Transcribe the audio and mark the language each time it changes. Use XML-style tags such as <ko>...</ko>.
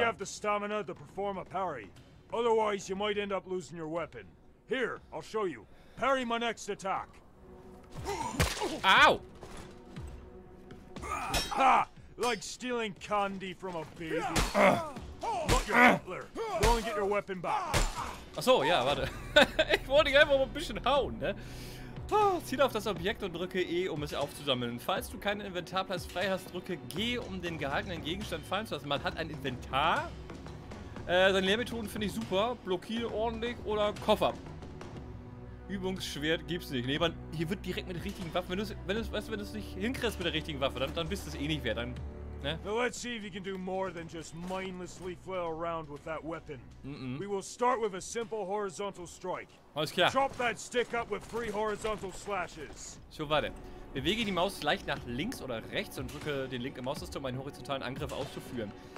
<en>You have the stamina to perform a parry. Otherwise, you might end up losing your weapon. Here, I'll show you. Parry my next attack. Ow! Ha! Like stealing candy from a baby. Not your butler. Go and get your weapon back.</en> <de>Ach so, ja, warte. Ich wollte einfach mal ein bisschen hauen, ne? Zieh auf das Objekt und drücke E, um es aufzusammeln. Falls du keinen Inventarplatz frei hast, drücke G, um den gehaltenen Gegenstand fallen zu lassen. Man hat ein Inventar? Seine Lehrmethoden finde ich super. Blockiere ordentlich oder Koffer. Übungsschwert gibt's nicht. Nee, man, hier wird direkt mit der richtigen Waffe. Wenn du es nicht hinkriegst mit der richtigen Waffe, dann bist du es eh nicht wert. Dann, ne?</de> <en>Let's see if you can do more than just mindlessly flail around with that weapon. We will start with a simple horizontal strike.</en> <de>Alles klar.</de> <en>Chop that stick up with 3 horizontal slashes.</en> <de>So, warte. Bewege die Maus leicht nach links oder rechts und drücke den linken Maustaste, um einen horizontalen Angriff auszuführen.</de>